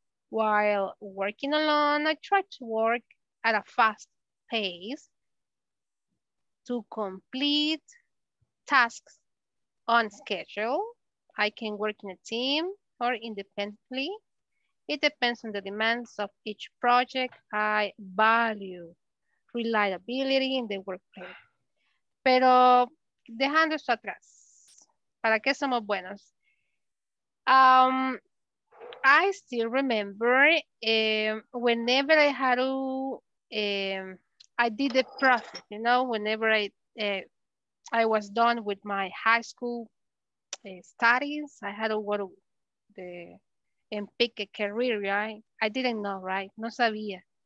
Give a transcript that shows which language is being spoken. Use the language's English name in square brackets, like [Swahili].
[English] While working alone, I try to work at a fast pace to complete tasks on schedule. I can work in a team or independently. It depends on the demands of each project. I value reliability in the workplace. [Spanish] Pero dejando eso atrás, ¿para qué somos buenos? [English] I still remember whenever I had to, I did the process, you know, whenever I was done with my high school studies, I had to go to the, and pick a career, right? I didn't know, right? [Spanish] No sabía.